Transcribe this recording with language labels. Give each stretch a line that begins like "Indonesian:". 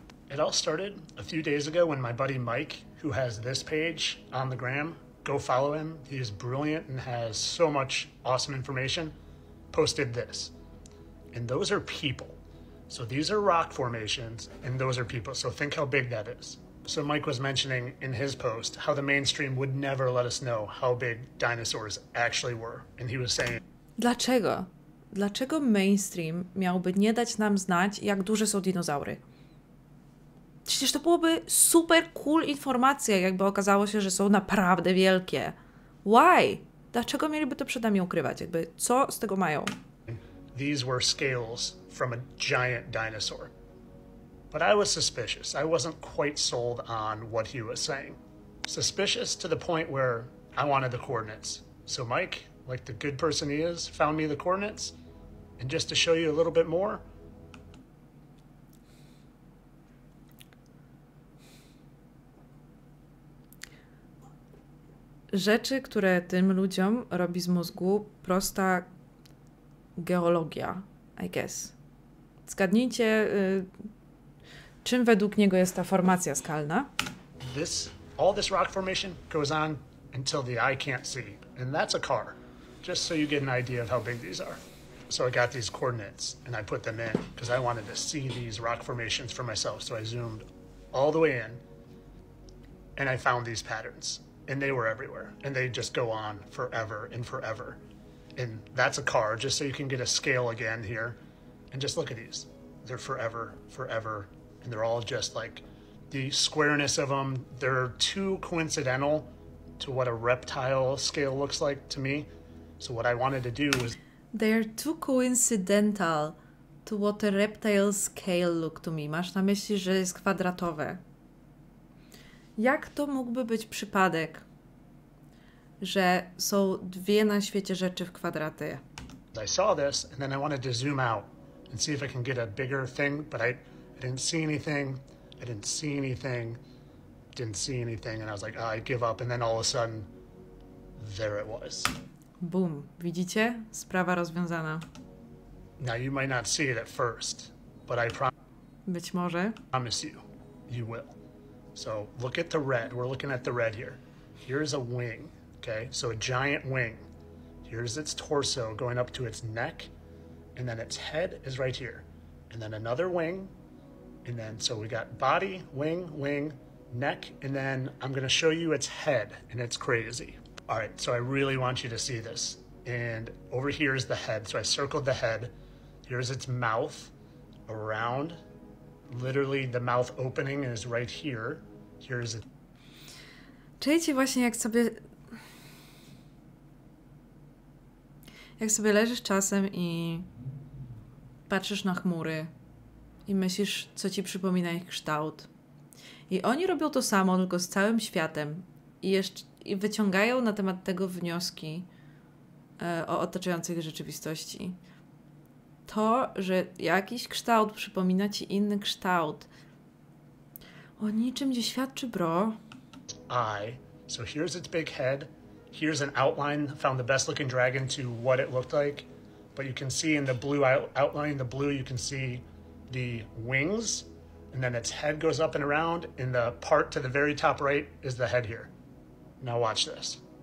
English: It all started a few days ago when my buddy Mike, who has this page on the gram, go follow him, he is brilliant and has so much awesome information, posted this. And those are people. So these are rock formations and those are people. So think how big that is. So Mike was mentioning in his post how the mainstream would never let us know how big dinosaurs actually were. And he was saying...
Polish: Dlaczego? Dlaczego mainstream miałby nie dać nam znać, jak duże są dinozaury? Przecież to byłoby super cool informacja, jakby okazało się, że są naprawdę wielkie.
English: Why?
Polish: Dlaczego mieliby to przed nami ukrywać? Jakby co z tego mają?
English: These were scales from a giant dinosaur. But I was suspicious. I wasn't quite sold on what he was saying. Suspicious to the point where I wanted the coordinates. So Mike, like the good person he is, found me the coordinates. And just to show you a little bit more.
Polish: Rzeczy, które tym ludziom robi z mózgu prosta geologia,
English: I guess.
Polish: Zgadnijcie, czym według niego jest ta formacja skalna?
English: All this rock formation goes on until the eye can't see, and that's a car. Just so you get an idea of how big these are. So I got these coordinates and I put them in because I wanted to see these rock formations for myself. So I zoomed all the way in and I found these patterns and they were everywhere and they just go on forever and forever. And that's a car, just so you can get a scale again here. And just look at these. They're forever, forever. And they're all just like the squareness of them. They're too coincidental to what a reptile scale looks like to me. So what I wanted to do was... They're too coincidental to what a reptile scale look to me.
Polish: Masz na myśli, że jest kwadratowe. Jak to mógłby być przypadek, że są dwie na świecie rzeczy w kwadraty?
English: I saw this and then I wanted to zoom out and see if I can get a bigger thing, but I didn't see anything. I didn't see anything. Didn't see anything and I was like, oh, I give up. And then all of a sudden, there it was.
Polish: Boom. Widzicie? Sprawa rozwiązana.
English: Now you might not see it at first, but I promise.
Polish: Być może.
English: Promise you, you will. So look at the red. We're looking at the red here. Here's a wing. Okay. So a giant wing. Here's its torso going up to its neck, and then its head is right here, and then another wing, and then so we got body, wing, wing, neck, and then I'm gonna show you its head, and it's crazy. All right, so I really want you to see this. And over here is the head. So I circled the head. Here's its mouth around. Literally the mouth opening is right here. Here is it.
Polish: Czujcie właśnie jak sobie leżysz czasem i patrzysz na chmury i myślisz, co ci przypomina ich kształt. I oni robią to samo, tylko z całym światem. I wyciągają na temat tego wnioski o otaczającej rzeczywistości. To, że jakiś kształt przypomina ci inny kształt, o niczym nie świadczy, bro.
English: Eye. So here's its big head. Here's an outline. Found the best looking dragon to what it looked like. But you can see in the blue outline, the blue, you can see the wings. And then its head goes up and around. And the part to the very top right is the head here. Now watch this.